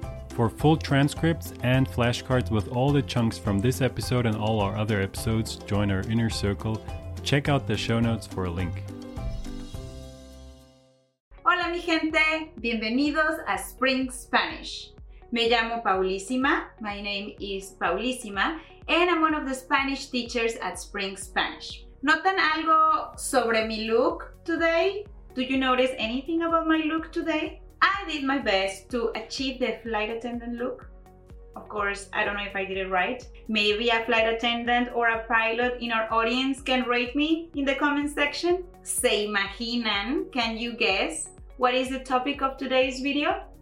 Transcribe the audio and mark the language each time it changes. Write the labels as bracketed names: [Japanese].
[English] For full transcripts and flashcards with all the chunks from this episode and all our other episodes, join our inner circle. Check out the show notes for a link. [Spanish] Hola mi gente, bienvenidos a Spring Spanish. [English] Me llamo Paulísima, my name is Paulísima, and I'm one of the Spanish teachers at Spring Spanish. [Spanish] ¿Notan algo sobre mi look today? [English] Do you notice anything about my look today? I did my best to achieve the flight attendant look. Of course, I don't know if I did it right. Maybe a flight attendant or a pilot in our audience can rate me in the comment section. ¿Se imaginan? Can you guess what is the topic of today's video?